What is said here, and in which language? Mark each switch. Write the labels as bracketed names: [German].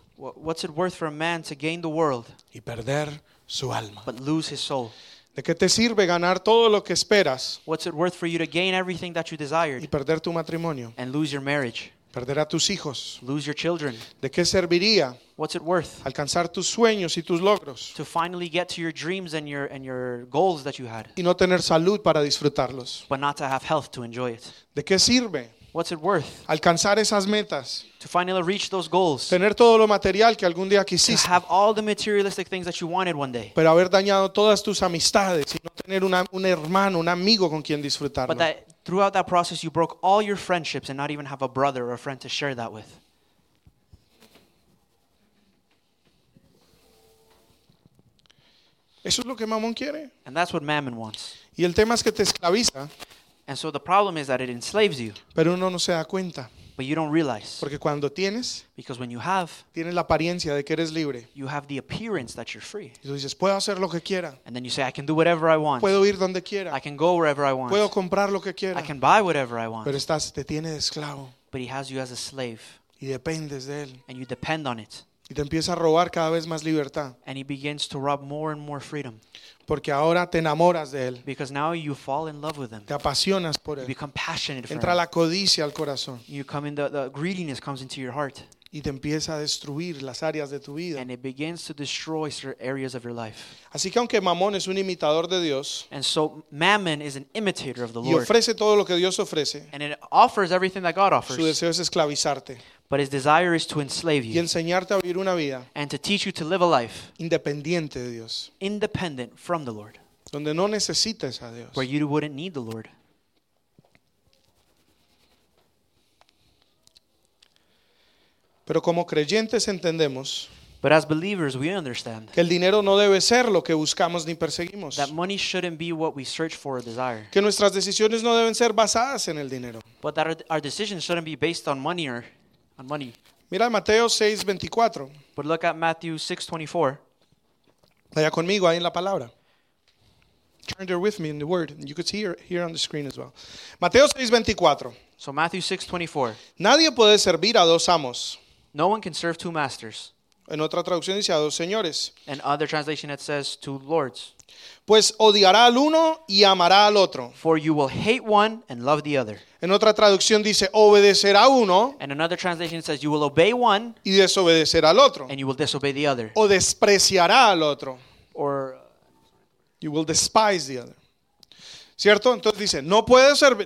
[English] What's it worth for a man to gain the world? [Spanish] Y perder su alma. [English] But lose his soul. [Spanish] ¿De qué te sirve ganar todo lo que esperas? [English] What's it worth for you to gain everything that you desired? [Spanish] Y perder tu matrimonio. [English] And lose your marriage. [Spanish] Perder a tus hijos. [English] Lose your children. [Spanish] ¿De qué serviría? [English] What's it worth? [Spanish] Alcanzar tus sueños y tus logros. [English] To finally get to your dreams and your goals that you had. [Spanish] Y no tener salud para disfrutarlos. [English] But not to have health to enjoy it. [Spanish] ¿De qué sirve? [English] What's it worth? [Spanish] Alcanzar esas metas. [English] To finally reach those goals. [Spanish] Tener todo lo material que algún día quisiste. [English] To have all the materialistic things that you wanted one day. [Spanish] Pero haber dañado todas tus amistades y no tener un hermano, un amigo con quien disfrutarlo. [English] But that throughout that process you broke all your friendships and not even have a brother or a friend to share that with. [Spanish] Eso es lo que Mamón quiere. [English] And that's what Mammon wants. [Spanish] Y el tema es que te esclaviza. [English] And so the problem is that it enslaves you. [Spanish] Pero uno no se da cuenta. [English] But you don't realize. [Spanish] Porque cuando tienes, [English] because when you have, [Spanish] tienes la apariencia de que eres libre. [English] You have the appearance that you're free. [Spanish] Y tú dices, puedo hacer lo que quiera. [English] And then you say, I can do whatever I want. [Spanish] Puedo ir donde quiera. [English] I can go wherever I want. [Spanish] Puedo comprar lo que quiera. [English] I can buy whatever I want. [Spanish] Pero estás, te tiene de esclavo. [English] But he has you as a slave. [Spanish] Y dependes de él. [English] And you depend on it. [Spanish] Y te empieza a robar cada vez más libertad. [English] And he begins to rob more and more freedom. [Spanish] Porque ahora te enamoras de él. [English] Because now you fall in love with him. [Spanish] Te apasionas por él. [English] You become passionate for [Spanish] entra [English] him. [Spanish] La codicia al corazón. [English] You come in the greediness comes into your heart. [Spanish] Y te empieza a destruir las áreas de tu vida. [English] And it begins to destroy certain areas of your life. [Spanish] Así que aunque Mamón es un imitador de Dios. [English] And so Mammon is an imitator of the [Spanish] y [English] Lord. [Spanish] Y ofrece todo lo que Dios ofrece. [English] And it offers everything that God offers. [Spanish] Su deseo es esclavizarte. [English] But his desire is to enslave you. [Spanish] Y enseñarte a vivir una vida. [English] And to teach you to live a life. [Spanish] Independiente de Dios. [English] Independent from the Lord. [Spanish] Donde no necesites a Dios. [English] Where you wouldn't need the Lord. [Spanish] Pero como creyentes entendemos. [English] But as believers, we understand. [Spanish] Que el dinero no debe ser lo que buscamos ni perseguimos. [English] That money shouldn't be what we search for or desire. [Spanish] Que nuestras decisiones no deben ser basadas en el dinero. [English] But that our decisions shouldn't be based on money or money. [Spanish] Mira Mateo 6:24. [English] But look at Matthew 6:24. [Spanish] Vaya conmigo ahí en la palabra. [English] Turn there with me in the word. You could see here on the screen as well. [Spanish] Mateo 6:24. [English] So Matthew 6:24. [Spanish] Nadie puede servir a dos amos. [English] No one can serve two masters. [Spanish] En otra traducción dice a dos señores. [English] In other translation it says two lords. [Spanish] Pues odiará al uno y amará al otro. [English] For you will hate one and love the other. [Spanish] En otra traducción dice obedecerá uno. [English] In another translation it says you will obey one. [Spanish] Y desobedecerá al otro. [English] And you will disobey the other. [Spanish] O despreciará al otro. [English] Or you will despise the other. [Spanish] ¿Cierto? Entonces dice no puedo servir.